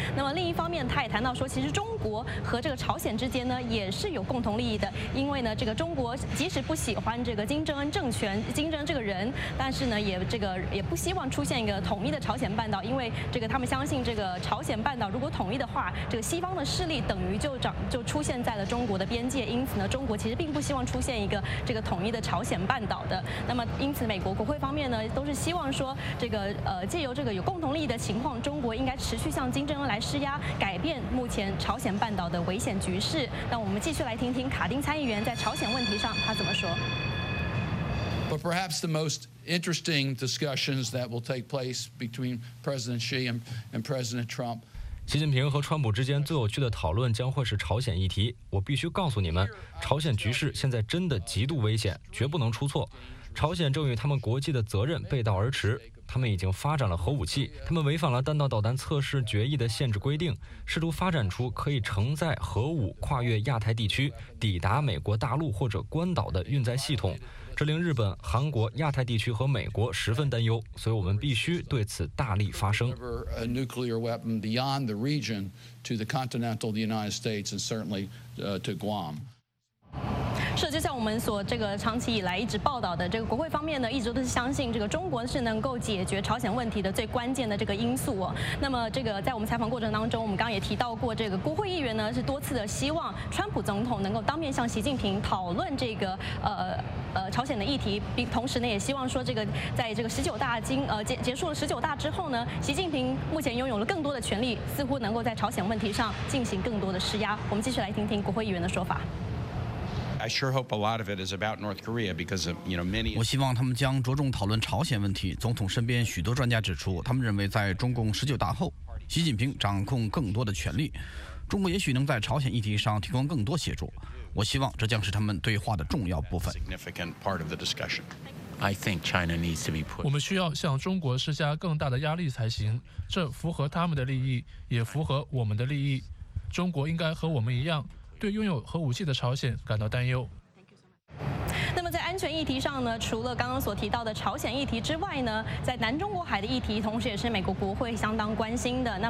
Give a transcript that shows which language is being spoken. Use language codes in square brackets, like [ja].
[zh] 那么另一方面他也谈到说，其实中国和这个朝鲜之间呢也是有共同利益的，因为呢这个中国即使不喜欢这个金正恩政权金正恩这个人，但是呢也这个也不希望出现一个统一的朝鲜半岛，因为这个他们相信这个朝鲜半岛如果统一的话，这个西方的势力等于就出现在了中国的边界，因此呢中国其实并不希望出现一个这个统一的朝鲜半岛的。那么因此美国国会方面呢都是希望说这个借由这个有共同利益的情况，中国应该持续向金正恩来施压，改变目前朝鲜半岛的危险局势。那我们继续来听听卡丁参议员在朝鲜问题上他怎么说。 [en] But perhaps the most interesting discussions that will take place between President Xi and President Trump。 [zh] 习近平和川普之间最有趣的讨论将会是朝鲜议题。我必须告诉你们，朝鲜局势现在真的极度危险，绝不能出错。朝鲜正与他们国际的责任背道而驰，他们已经发展了核武器，他们违反了弹道导弹测试决议的限制规定，试图发展出可以承载核武跨越亚太地区抵达美国大陆或者关岛的运载系统，这令日本、韩国、亚太地区和美国十分担忧，所以我们必须对此大力发声。 [en] Nuclear weapon beyond the region to the continental United States and certainly to Guam。 [zh] 是，就像我们所这个长期以来一直报道的，这个国会方面呢一直都是相信这个中国是能够解决朝鲜问题的最关键的这个因素哦。那么这个在我们采访过程当中，我们刚刚也提到过，这个国会议员呢是多次的希望川普总统能够当面向习近平讨论这个朝鲜的议题，并同时呢也希望说这个在这个十九大结束了十九大之后呢，习近平目前拥有了更多的权力，似乎能够在朝鲜问题上进行更多的施压。我们继续来听听国会议员的说法。 [en] I sure hope a lot of it is about North Korea because, you know, many. [zh] 我希望他们将着重讨论朝鲜问题。总统身边许多专家指出，他们认为在中共十九大后，习近平掌控更多的权力，中国也许能在朝鲜议题上提供更多协助。我希望这将是他们对话的重要部分。 [en] Significant part of the discussion. I think China needs to be put. [zh] 我们需要向中国施加更大的压力才行，这符合他们的利益，也符合我们的利益。中国应该和我们一样。对拥有核武器的朝鲜感到担忧。那么在安全议题上呢，除了刚刚所提到的朝鲜议题之外呢，在南中国海的议题同时也是美国国会相当关心的。